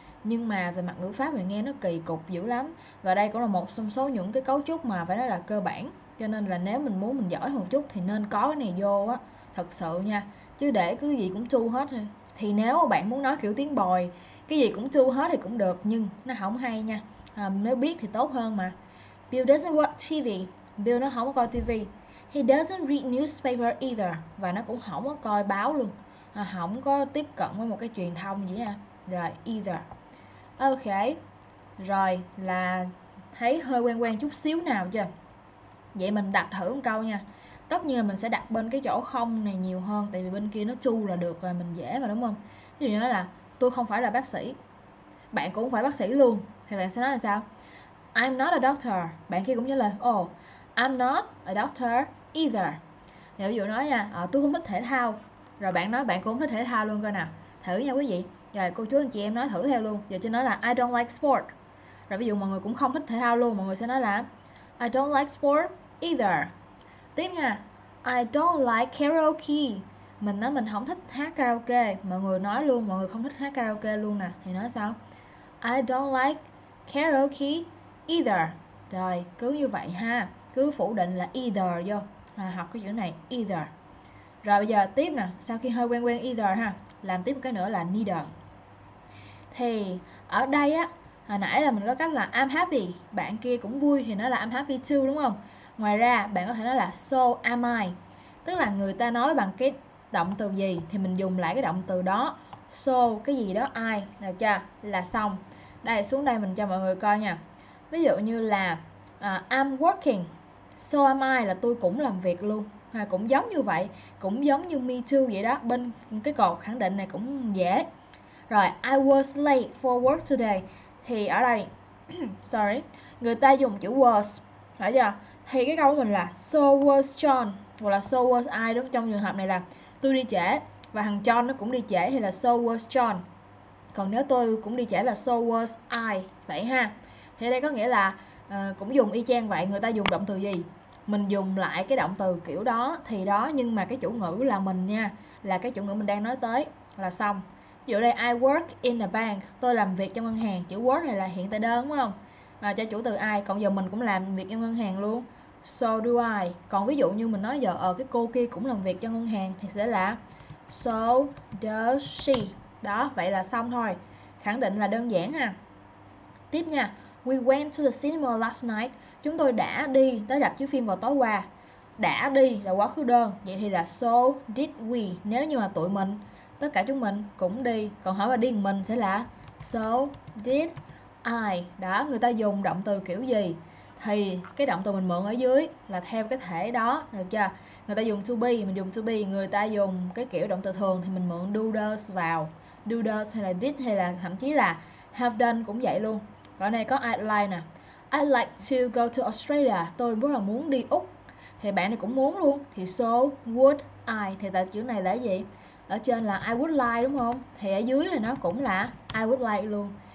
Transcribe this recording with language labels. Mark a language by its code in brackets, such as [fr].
[vi] Nhưng mà về mặt ngữ pháp thì nghe nó kỳ cục dữ lắm. Và đây cũng là một trong số những cái cấu trúc mà phải nói là cơ bản. Cho nên là nếu mình muốn mình giỏi một chút thì nên có cái này vô á, thật sự nha. Chứ để cứ gì cũng too hết thì nếu bạn muốn nói kiểu tiếng bồi, cái gì cũng too hết thì cũng được, nhưng nó không hay nha. Nếu biết thì tốt hơn mà. [en] Bill doesn't watch TV. [vi] Bill nó không có coi TV. [en] He doesn't read newspaper either. [vi] Và nó cũng không có coi báo luôn. Không có tiếp cận với một cái truyền thông gì ha. Rồi, either. Ok. Rồi, là thấy hơi quen quen chút xíu nào chưa? Vậy mình đặt thử một câu nha. Tất nhiên là mình sẽ đặt bên cái chỗ không này nhiều hơn. Tại vì bên kia nó chu là được rồi, mình dễ mà, đúng không? Ví dụ như là tôi không phải là bác sĩ. Bạn cũng phải bác sĩ luôn. Thì bạn sẽ nói là sao? [en] I'm not a doctor. [vi] Bạn kia cũng nhớ là [en] I'm not a doctor either. [vi] Thì ví dụ nói nha, tôi không thích thể thao. Rồi bạn nói bạn cũng không thích thể thao luôn coi nào. Thử nha quý vị. Rồi cô chú anh chị em nói thử theo luôn. Giờ chứ nói là [en] I don't like sport. [vi] Rồi ví dụ mọi người cũng không thích thể thao luôn, mọi người sẽ nói là [en] I don't like sport either. [vi] Tiếp nha. [en] I don't like karaoke. [vi] Mình nói mình không thích hát karaoke. Mọi người nói luôn, mọi người không thích hát karaoke luôn nè. Thì nói sao? [en] I don't like karaoke either. [vi] Rồi, cứ như vậy ha. Cứ phủ định là either vô. Học cái chữ này, either. Rồi bây giờ tiếp nè. Sau khi hơi quen quen either ha, làm tiếp một cái nữa là neither. Thì ở đây á, hồi nãy là mình có cách là [en] I'm happy. [vi] Bạn kia cũng vui thì nói là [en] I'm happy too, [vi] đúng không? Ngoài ra, bạn có thể nói là [en] so am I. [vi] Tức là người ta nói bằng cái động từ gì thì mình dùng lại cái động từ đó. So cái gì đó ai là chưa là xong. Đây xuống đây mình cho mọi người coi nha. Ví dụ như là [en] I'm working, so am I [vi] là tôi cũng làm việc luôn. À, cũng giống như vậy, cũng giống như [en] me too [vi] vậy đó, bên cái cột khẳng định này cũng dễ. [en] Rồi, I was late for work today. [vi] Thì ở đây, sorry, người ta dùng chữ was, phải chưa? Thì cái câu của mình là [en] so was John, [vi] hoặc là [en] so was I, [vi] đúng, trong trường hợp này là tôi đi trễ và thằng John nó cũng đi trễ thì là so was John. Còn nếu tôi cũng đi trễ là [en] so was I, [vi] vậy ha. Thì đây có nghĩa là cũng dùng y chang vậy, người ta dùng động từ gì? Mình dùng lại cái động từ kiểu đó thì đó, nhưng mà cái chủ ngữ là mình nha, là cái chủ ngữ mình đang nói tới là xong. Ví dụ đây, [en] I work in a bank, [vi] tôi làm việc trong ngân hàng. Chữ work này là hiện tại đơn đúng không, và cho chủ từ I. Còn giờ mình cũng làm việc trong ngân hàng luôn, [en] so do I. [vi] Còn ví dụ như mình nói giờ cái cô kia cũng làm việc trong ngân hàng thì sẽ là [en] so does she. [vi] Đó, vậy là xong thôi, khẳng định là đơn giản ha. Tiếp nha, [en] we went to the cinema last night. [vi] Chúng tôi đã đi tới rạp chiếu phim vào tối qua. Đã đi là quá khứ đơn, vậy thì là [en] so did we. [vi] Nếu như mà tụi mình, tất cả chúng mình cũng đi, còn hỏi mà đi mình sẽ là [en] so did I. [vi] Đó, người ta dùng động từ kiểu gì thì cái động từ mình mượn ở dưới là theo cái thể đó, được chưa? Người ta dùng to be, mình dùng to be. Người ta dùng cái kiểu động từ thường thì mình mượn do does vào. Do does hay là did hay là thậm chí là have done cũng vậy luôn. Ở đây có [en] I'd like [vi] nè. [en] I'd like to go to Australia. [vi] Tôi rất là muốn đi Úc. Thì bạn này cũng muốn luôn. Thì [en] so would I. [vi] Thì tại chữ này là gì? Ở trên là [en] I would like [vi] đúng không? Thì ở dưới này nó cũng là I would like luôn.